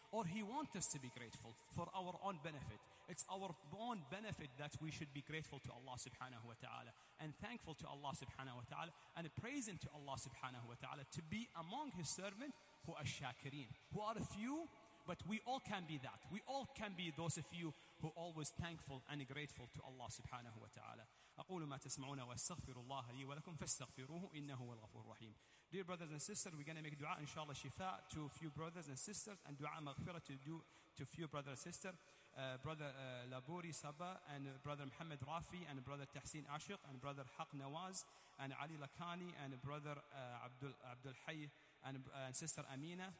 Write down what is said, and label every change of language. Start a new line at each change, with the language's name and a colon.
English: Or he wants us to be grateful for our own benefit? It's our own benefit that we should be grateful to Allah subhanahu wa ta'ala and thankful to Allah subhanahu wa ta'ala and praising to Allah subhanahu wa ta'ala to be among his servant who are shakirin, who are a few, but we all can be that. We all can be those of you who are always thankful and grateful to Allah subhanahu wa ta'ala.
Arabic: أقول ما تسمعون واستغفر الله لي ولكم فاستغفروه إنه هو الغفور الرحيم.
English: Dear brothers and sisters, we're going to make dua inshallah shifa to a few brothers and sisters and dua maghfira to a few brothers and sisters. Brother Labouri Saba and brother Muhammad Rafi and brother Tahsin Ashiq and brother Haq Nawaz and Ali Lakani and brother Abdul Hayy and sister Amina.